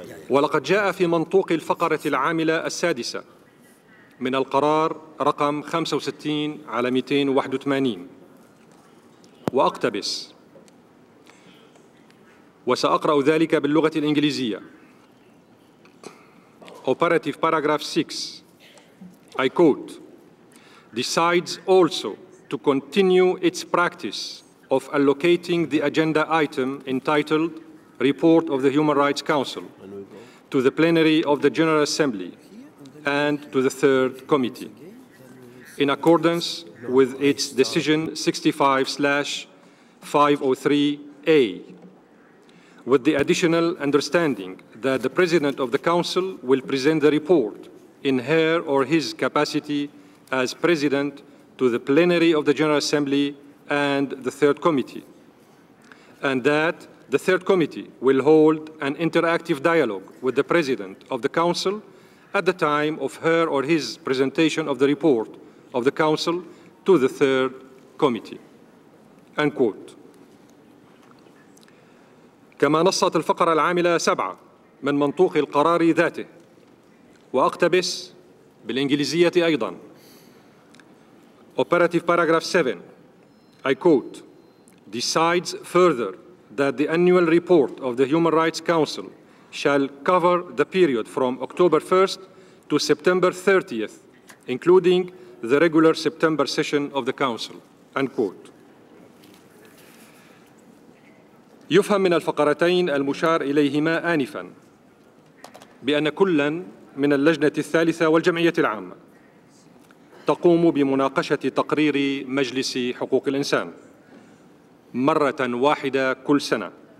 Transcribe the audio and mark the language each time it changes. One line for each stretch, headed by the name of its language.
Arabic: ولقد جاء في منطوق الفقرة العاملة السادسة من القرار رقم 65/281 وأقتبس، وسأقرأ ذلك باللغة الإنجليزية.
English: Operative paragraph 6, I quote, decides also to continue its practice of allocating the agenda item entitled Report of the Human Rights Council to the plenary of the General Assembly and to the Third Committee in accordance with its decision 65/503A, with the additional understanding that the President of the Council will present the report in her or his capacity as President to the plenary of the General Assembly and the Third Committee, and that the Third Committee will hold an interactive dialogue with the President of the Council at the time of her or his presentation of the report of the Council to the Third Committee." End quote.
Arabic: كما نصت الفقرة العاملة 7 من منطوق القرار ذاته، وأقتبس بالإنجليزية أيضا.
English: Operative paragraph 7, I quote, decides further that the annual report of the Human Rights Council shall cover the period from October 1st to September 30th, including the regular September session of the Council, end quote.
Arabic: يفهم من الفقرتين المشار إليهما آنفاً بأن كلاً من اللجنة الثالثة والجمعية العامة تقوم بمناقشة تقرير مجلس حقوق الإنسان مرة واحدة كل سنة،